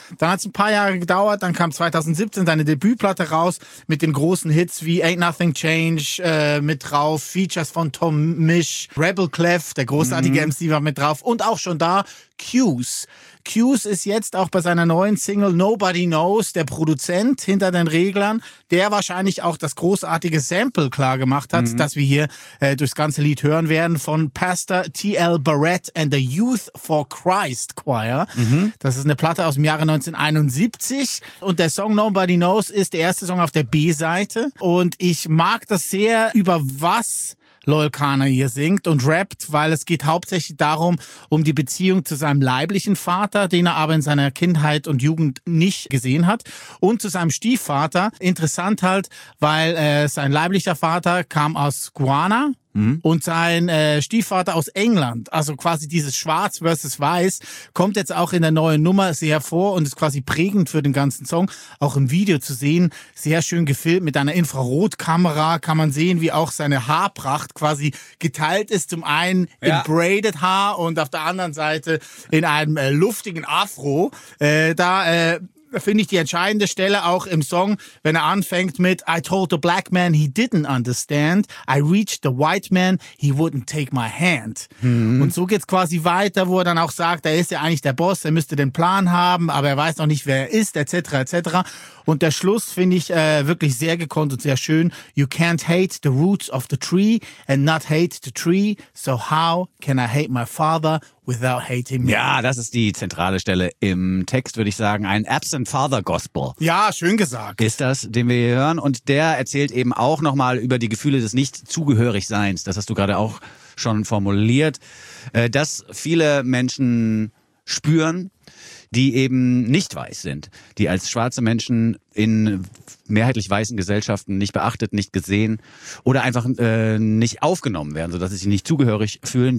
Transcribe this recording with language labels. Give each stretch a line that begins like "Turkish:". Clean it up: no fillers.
German: Dann hat's ein paar Jahre gedauert, dann kam 2017 seine Debütplatte raus mit den großen Hits wie Ain't Nothing Change, mit drauf, Features von Tom Misch, Rebel Clef, der großartige MC, war mit drauf und auch schon da Q's. Q's ist jetzt auch bei seiner neuen Single Nobody Knows der Produzent hinter den Reglern, der wahrscheinlich auch das großartige Sample klar gemacht hat, das wir hier durchs ganze Lied hören werden, von Pastor T.L. Barrett and the Youth for Christ Choir. Das ist eine Platte aus dem Jahre 1971 und der Song Nobody Knows ist der erste Song auf der B-Seite und ich mag das sehr, über was Loic Hahner hier singt und rappt, weil es geht hauptsächlich darum, um die Beziehung zu seinem leiblichen Vater, den er aber in seiner Kindheit und Jugend nicht gesehen hat, und zu seinem Stiefvater. Interessant halt, weil sein leiblicher Vater kam aus Guyana und sein Stiefvater aus England, also quasi dieses Schwarz versus Weiß, kommt jetzt auch in der neuen Nummer sehr vor und ist quasi prägend für den ganzen Song. Auch im Video zu sehen, sehr schön gefilmt mit einer Infrarotkamera, kann man sehen, wie auch seine Haarpracht quasi geteilt ist. Zum einen in braided Haar und auf der anderen Seite in einem luftigen Afro. Da finde ich, die entscheidende Stelle auch im Song, wenn er anfängt mit
English: I told the black man he didn't understand. I reached the white man, he wouldn't take my hand. Mhm.
German: Und so geht es quasi weiter, wo er dann auch sagt, er ist ja eigentlich der Boss, er müsste den Plan haben, aber er weiß noch nicht, wer er ist, etc., etc. Und der Schluss finde ich wirklich sehr gekonnt und sehr schön.
English: You can't hate the roots of the tree and not hate the tree. So how can I hate my father without hating me?
German: Ja, das ist die zentrale Stelle im Text, würde ich sagen. Ein Absent Father Gospel. Ja, schön gesagt. Ist das, den wir hier hören. Und der erzählt eben auch nochmal über die Gefühle des Nicht-Zugehörigseins. Das hast du gerade auch schon formuliert. Dass viele Menschen spüren, die eben nicht weiß sind, die als schwarze Menschen in mehrheitlich weißen Gesellschaften nicht beachtet, nicht gesehen oder einfach nicht aufgenommen werden, sodass sie sich nicht zugehörig fühlen.